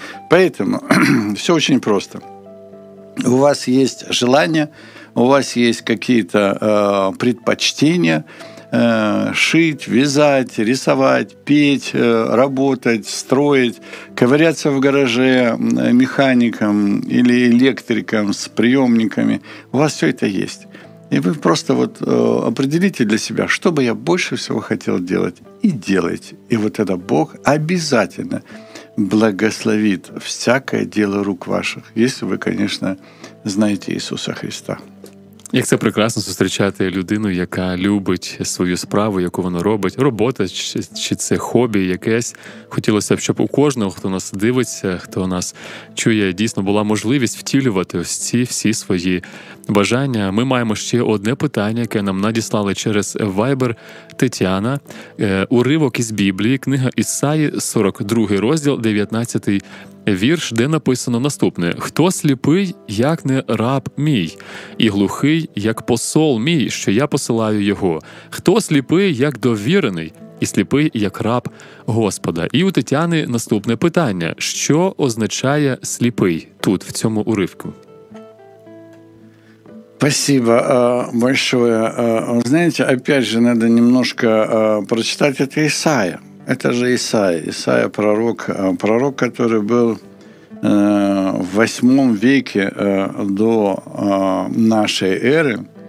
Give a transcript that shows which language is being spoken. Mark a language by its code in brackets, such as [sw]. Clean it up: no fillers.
[ru] Поэтому все очень просто. У вас есть желания, у вас есть какие-то предпочтения, шить, вязать, рисовать, петь, работать, строить, ковыряться в гараже механиком или электриком с приемниками. У вас все это есть. И вы просто вот определите для себя, что бы я больше всего хотел делать, и делайте. И вот тогда Бог обязательно благословит всякое дело рук ваших, если вы, конечно, знаете Иисуса Христа. [uk] Як це прекрасно зустрічати людину, яка любить свою справу, яку вона робить. Робота чи це хобі якесь. Хотілося б, щоб у кожного, хто нас дивиться, хто нас чує, дійсно була можливість втілювати ось ці всі свої бажання. Ми маємо ще одне питання, яке нам надіслали через Viber Тетяна. Уривок із Біблії, книга Ісаї, 42 розділ, 19-й вірш, де написано наступне: «Хто сліпий, як не раб мій, і глухий, як посол мій, що я посилаю його? Хто сліпий, як довірений, і сліпий, як раб Господа?» І у Тетяни наступне питання: що означає «сліпий» тут, в цьому уривку? [ru] Спасибо большое. Знаете, опять же, надо немножко прочитать это Исаия. Это же Исаия. Исаия – пророк, пророк, который был в 8 веке до нашей эры.